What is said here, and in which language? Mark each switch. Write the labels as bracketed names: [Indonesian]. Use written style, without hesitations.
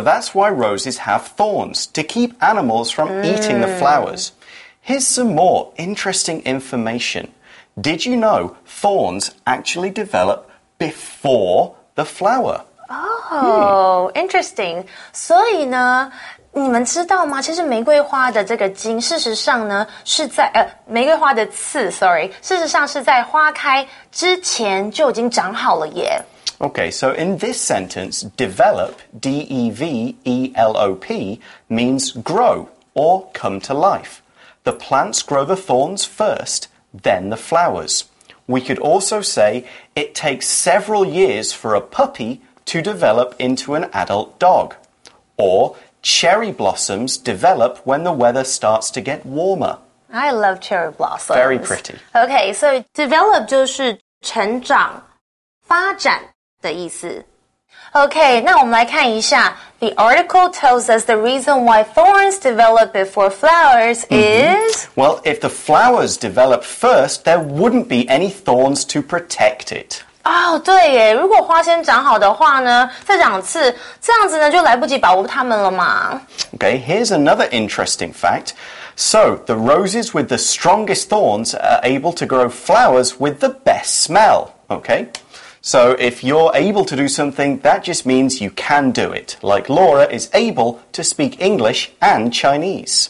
[English] that's why roses have thorns, to keep animals from eating the flowers. Here's some more interesting information. Did you know thorns actually develop before the flower? Interesting. [Chinese] 所以呢，你们知道吗？其实玫瑰花的这个茎，事实上呢，是在玫瑰花的刺 ，sorry， 事实上是在花开之前就已经长好了耶。 [English] Okay, so in this sentence, develop, D-E-V-E-L-O-P, means grow or come to life. The plants grow the thorns first, then the flowers. We could also say it takes several years for a puppy to develop into an adult dog. Or cherry blossoms develop when the weather starts to get warmer. I love cherry blossoms. Very pretty. [Chinese] Okay, so develop 就是成长、发展。的意思。 [English] Okay, [Chinese] 那我们来看一下 [English] The article tells us the reason why thorns develop before flowers is...、 Mm-hmm. Well, if the flowers develop first, there wouldn't be any thorns to protect it. [Chinese] Oh, 对耶，如果花先长好的话呢，再长刺，这样子呢就来不及保护它们了嘛。 [English] Okay, here's another interesting fact. So, the roses with the strongest thorns are able to grow flowers with the best smell, okay? So if you're able to do something, that just means you can do it. Like Laura is able to speak English and Chinese.